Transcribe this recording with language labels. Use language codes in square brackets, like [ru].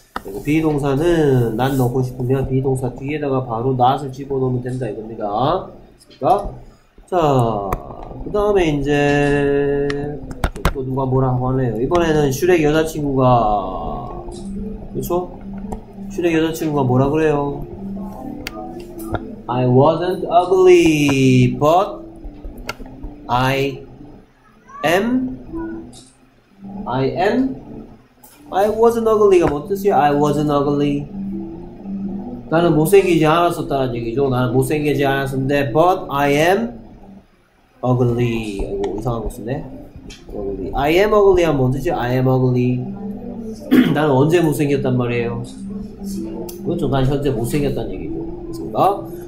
[ko] 그리고 비동사는 난 넣고 싶으면 비동사 뒤에다가 바로 not을 집어넣으면 된다 이겁니다. 맞습니까? 자, 그 다음에 이제 또 누가 뭐라고 하네요. 이번에는 슈렉 여자친구가, 그렇죠? 슈렉 여자친구가 뭐라 그래요? [en] I wasn't ugly, but I wasn't ugly가 [ko] 뭔 뜻이야? [en] I wasn't ugly. [ko] 나는 못생기지 않았었다는 얘기죠. 나는 못생기지 않았는데, [en] but I am ugly. [ko] 아이고, 이상한 거 쓰네. Ugly. [en] I am ugly [ko] 하면 뭔 뜻이야? [en] I am ugly. [ko] 나는 언제 못생겼단 말이에요? 그렇죠. 난 현재 못생겼다는 얘기죠. 맞습니까?